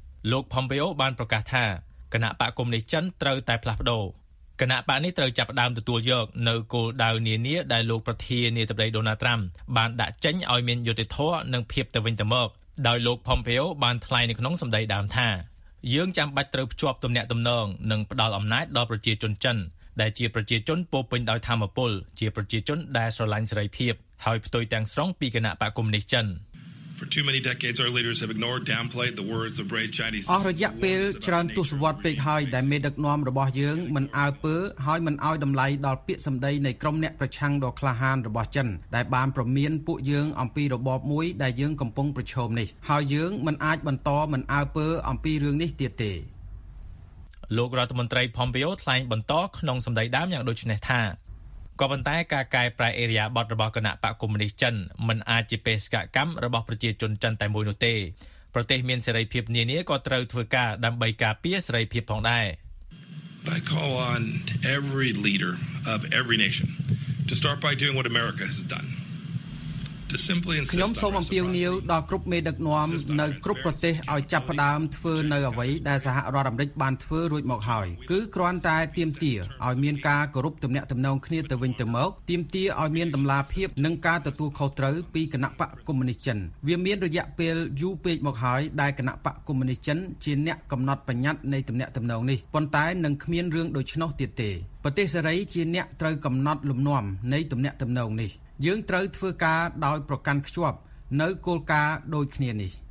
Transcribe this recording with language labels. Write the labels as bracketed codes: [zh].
[km] លោកផុំពេអូបានប្រកាសថាគណៈបកកុម្មុយនីសចិនត្រូវតែផ្លាស់ប្ដូរគណៈបកនេះត្រូវចាប់ផ្ដើមទទួលយកនូវគោលដៅនានាដែលលោកប្រធានាធិបតីដូណាល់ត្រាំបានដាក់ចេញឲ្យមានយុត្តិធម៌និងភាពទៅវិញទៅមកដោយលោកផុំពេអូបានថ្លែងនៅក្នុងសម្ដីដើមថាយើងចាំបាច់ត្រូវភ្ជាប់ទំនាក់ទំនងនិងផ្ដល់អំណាចដល់ប្រជាជនចិនដែលជាប្រជាជនពោពេញដោយធម្មពលជាប្រជាជនដែលស្រឡាញ់សេរីភាពហើយផ្ទុយទាំងស្រុងពីគណៈបកកុម្មុយនីសចិន [en] For too many decades our leaders have ignored downplayed the words of brave Chinese [km] អរយៈពេលច្រើនទស្សវត្សពេកហើយដែលមេដឹកនាំរបស់យើងមិនអើពើហើយមិនឲ្យតម្លៃដល់ពាក្យសម្ដីនៃក្រុមអ្នកប្រឆាំងដ៏ក្លាហានរបស់ចិនដែលបានប្រមានពួកយើងអំពីរបបមួយដែលយើងកំពុងប្រឈមនេះហើយយើងមិនអាចបន្តមិនអើពើអំពីរឿងនេះទៀតទេ លោករដ្ឋមន្ត្រីផុំពីអូថ្លែងបន្តក្នុងសម្ដីដើមយ៉ាងដូចនេះថាក៏ប៉ុន្តែការកែប្រែអេរីយ៉ាបតរបស់គណៈបកកុម្មុយនីសចិនមិនអាចជាបេសកកម្មរបស់ប្រជាជនចិនតែមួយនោះទេប្រទេសមានសេរីភាពនានាក៏ត្រូវធ្វើការដើម្បីការពារសេរីភាពផងដែរ [en] I call on every leader of every nation to start by doing what America has done to simply insist [km] ខ្ញុំសូមអំពាវនាវដល់គ្រប់មេដឹកនាំនៅគ្រប់ប្រទេសឲ្យចាប់ផ្ដើមធ្វើនៅអ្វីដែលសហរដ្ឋអាមេរិកបានធ្វើរួចមកហើយគឺគ្រាន់តែទៀមទា ឲ្យមានការគោរពទំនាក់ទំនងគ្នាទៅវិញទៅមកទៀមទាឲ្យមានតម្លាភាពនិងការទទួលខុសត្រូវពីគណៈបកកុម្មុយនីសចិនវាមានរយៈពេលយូរពេកមកហើយដែលគណៈបកកុម្មុយនីសចិនជាអ្នកកំណត់បញ្ញត្តិនៃទំនាក់ទំនងនេះប៉ុន្តែនឹងគ្មានរឿងដូច្នោះទៀតទេប្រទេសសេរីជាអ្នកត្រូវកំណត់លំនាំនៃទំនាក់ទំនងនេះយើងត្រូវធ្វើការដោយប្រកាន់ខ្ជាប់នៅគោលការណ៍ដូចគ្នានេះ